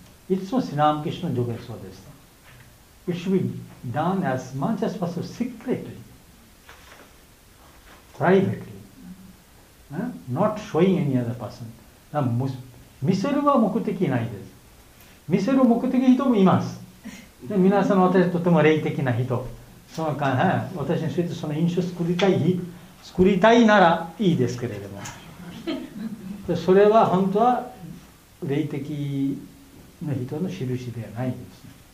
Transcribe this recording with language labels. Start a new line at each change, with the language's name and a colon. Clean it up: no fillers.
Japanese: いつもシラムケシュの助言そうです。
English: It should be done as much as possible secretly privately、not showing any other person。
Japanese: 見せるは目的ないです。見せる目的の人もいます。で皆さん、私とても霊的な人。その間、私についてその印象を作りたいならいいですけれども。でそれは本当は霊的な人の印ではないです、ね。